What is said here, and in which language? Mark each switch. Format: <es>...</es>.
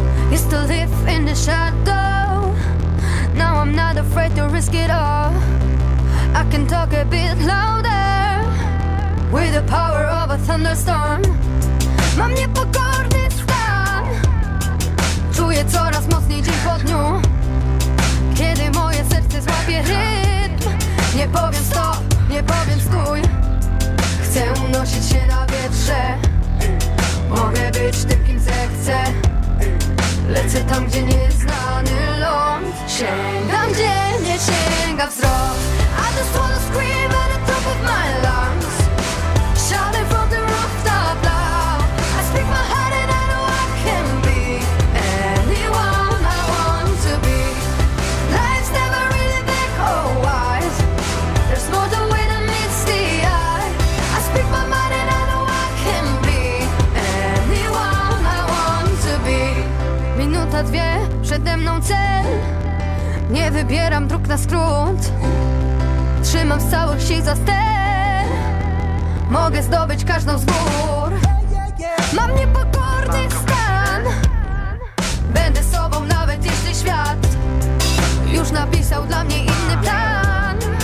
<en>Used to live in the shadow, now I'm not afraid to risk it all. I can talk a bit louder with the power of a thunderstorm.</en> <pl>Mam niepokorny stan, czuję coraz mocniej dzień po dniu. Kiedy moje serce złapie rytm, nie powiem stop, nie powiem skój. Chcę unosić się na wietrze, mogę być tym, kim zechcę. Lecę tam, gdzie nieznany ląd sięga, tam, gdzie nie sięga wzrok.</pl> <en>I just wanna scream at the top of my lungs, shouting from the rooftop loud. I speak my heart and I know I can be anyone I want to be. Life's never really black or white, there's more to it than meets the eye. I speak my mind and I know I can be anyone I want to be.</en> <pl>Minuta, dwie, przede mną cel, nie wybieram dróg na skrót. Trzymam z całych sił za ster, mogę zdobyć każdą z gór. Mam niepokorny stan, będę sobą nawet jeśli świat już napisał dla mnie inny plan.</pl>